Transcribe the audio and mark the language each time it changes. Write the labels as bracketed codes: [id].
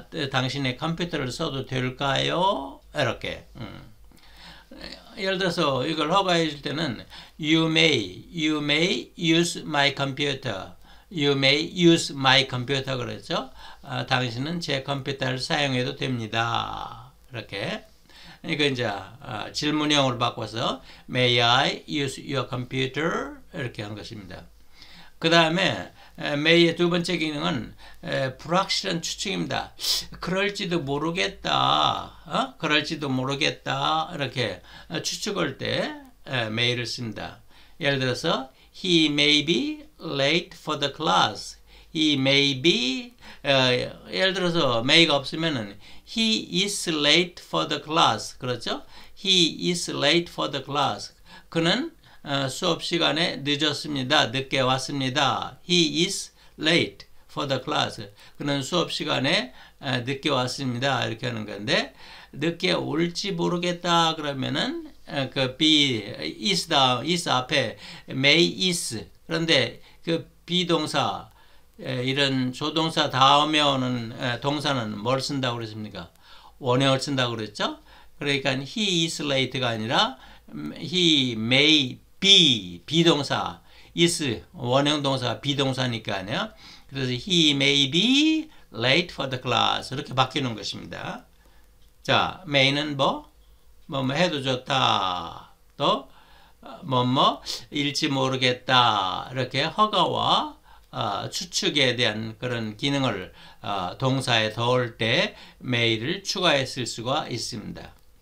[ko] 당신의 컴퓨터를 써도 될까요? 이렇게. 예를 들어서 이걸 허가해 줄 때는 [en] You may use my computer. You may use my computer. [ko] 그렇죠? 당신은 제 컴퓨터를 사용해도 됩니다. 이렇게. 이거 이제 질문형으로 바꿔서 [en] May I use your computer? [ko] 이렇게 한 것입니다. 그 다음에 May의 두 번째 기능은 불확실한 추측입니다. 그럴지도 모르겠다. 그럴지도 모르겠다. 이렇게 추측할 때 May를 씁니다. 예를 들어서 [en] He may be late for the class. He may be [ko] 예를 들어서 may가 없으면은 [en] he is late for the class [ko] 그렇죠? [en] He is late for the class. [ko] 그는 수업 시간에 늦었습니다. 늦게 왔습니다. [en] He is late for the class. [ko] 그는 수업 시간에 늦게 왔습니다. 이렇게 하는 건데 늦게 올지 모르겠다 그러면은 그 be is 다 is 앞에 may is 그런데 그 be 동사 이런 조동사 다음에 오는 동사는 뭘 쓴다고 그랬습니까? 원형을 쓴다고 그랬죠? 그러니까 he is late가 아니라 he may be 비동사 is 원형 동사가 비동사니까요. [en] 그래서 he may be late for the class [ko] 이렇게 바뀌는 것입니다. 자, may는 뭐뭐 해도 좋다. 또뭐뭐 일지 모르겠다. 이렇게 허가와 추측에 대한 그런 기능을 동사에 더할 때 may를 추가했을 수가 있습니다.